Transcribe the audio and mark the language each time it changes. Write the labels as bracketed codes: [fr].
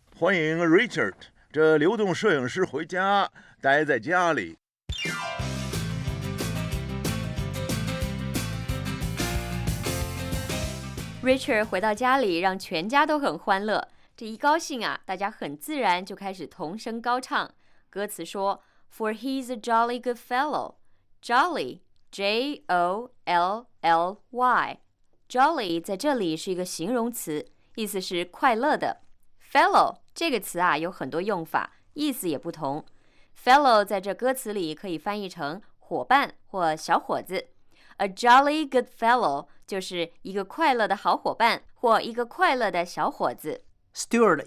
[zh] 欢迎 Richard, 这流动摄影师回家, 待在家里。 Richard 回到家里, 让全家都很欢乐。这一高兴啊, 大家很自然就开始同声高唱。歌词说, [en] For he's a jolly good fellow. [zh] Jolly, J-O-L-L-Y。 Jolly 在这里是一个形容词，意思是快乐的。Fellow 这个词啊有很多用法，意思也不同。Fellow 在这歌词里可以翻译成伙伴或小伙子。 [en] A jolly good fellow [zh] 就是一个快乐的好伙伴或一个快乐的小伙子。Stuart